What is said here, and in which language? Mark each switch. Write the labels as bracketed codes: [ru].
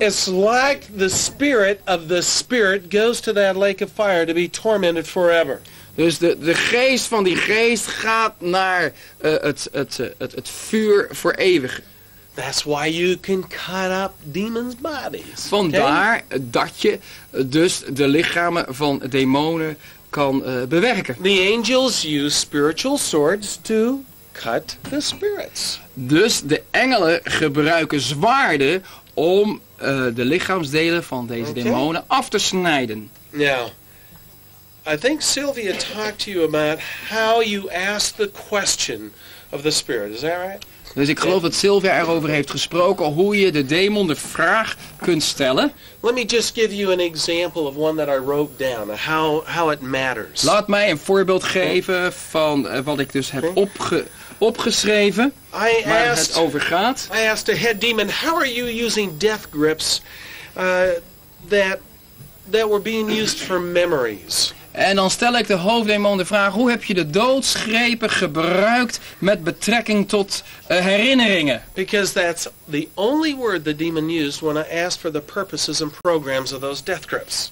[en] It's like the spirit of the spirit goes to that lake of fire to be tormented forever. [nl] Dus de geest van die geest gaat naar het vuur voor eeuwig. [en] That's why you can cut up demons' bodies. [nl] Vandaar dat je dus de lichamen van demonen kan bewerken. [en] The angels use spiritual swords to cut the spirits. [nl] Dus de engelen gebruiken zwaarden om de lichaamsdelen van deze demonen af te snijden. [en] Yeah. I think Sylvia talked to you about how you ask the question of the spirit. Is that right? [nl] Dus ik geloof dat Sylvia erover heeft gesproken hoe je de demon de vraag kunt stellen. [en] Let me just give you an example of one that I wrote down, how it matters. [nl] Laat mij een voorbeeld geven van wat ik dus heb opgeschreven waar het over gaat. [en] I asked a head demon, how are you using death grips that were being used for memories? [nl] En dan stel ik de hoofddemon de vraag, hoe heb je de doodsgrepen gebruikt met betrekking tot herinneringen? [en] Because that's the only word the demon used when I asked for the purposes and programs of those death grips.